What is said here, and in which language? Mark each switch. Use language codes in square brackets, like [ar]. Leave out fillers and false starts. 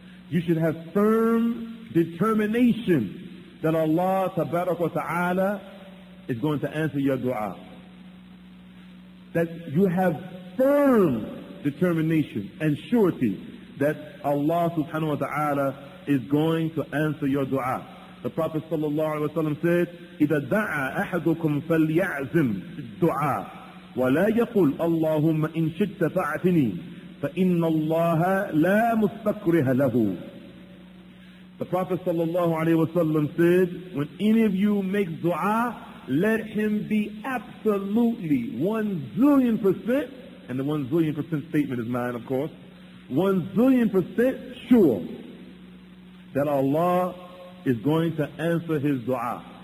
[en] You should have firm determination that Allah tabarak wa ta'ala is going to answer your dua. That you have firm determination and surety that Allah subhanahu wa ta'ala is going to answer your dua. [ar] The Prophet sallallahu alaihi wasallam said, إِذَا دَعَى أَحَدُكُمْ فَلْيَعْزِمْ الدُّعَى وَلَا يَقُلْ أَلَّهُمَّ إِنْ شِدْتَ فَعْتِنِي فَإِنَّ اللَّهَ لَا مُسْتَكْرِهَ لَهُ. [en] The Prophet sallallahu alayhi wa sallam said, when any of you makes dua, let him be absolutely 1,000,000%, and the 1,000,000% statement is mine, of course, 1,000,000% sure that Allah is going to answer his dua.